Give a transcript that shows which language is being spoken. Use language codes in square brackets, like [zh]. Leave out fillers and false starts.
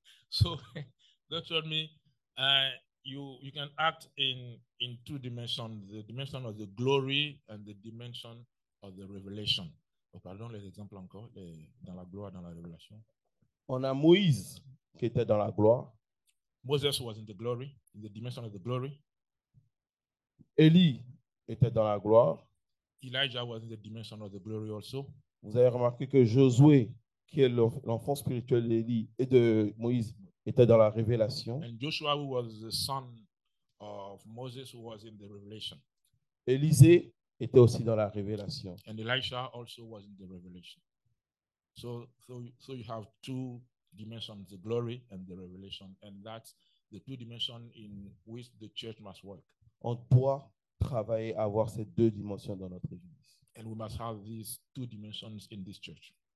[en] So, God told me you can act in two dimensions, the dimension of the glory and the dimension of the revelation. [fr] Oh, pardon, les exemples encore, dans la gloire, dans la révélation. On a Moïse qui était dans la gloire. [en] Moses was in the glory, in the dimension of the glory. [fr] Élie était dans la gloire. [en] Elijah was in the dimension of the glory also. [fr] Vous avez remarqué que Josué, qui est l'enfant spirituel d'Élie et de Moïse, était dans la révélation. [en] And Joshua, who was the son of Moses, who was in the revelation. [fr] Élisée était aussi dans la révélation. [en] And Elisha also was in the revelation. So you have two dimensions, the glory and the revelation, and that's the two dimensions in which the church must work. [fr] On doit travailler à avoir ces deux dimensions dans notre église. [en] And we must have these two dimensions in this church.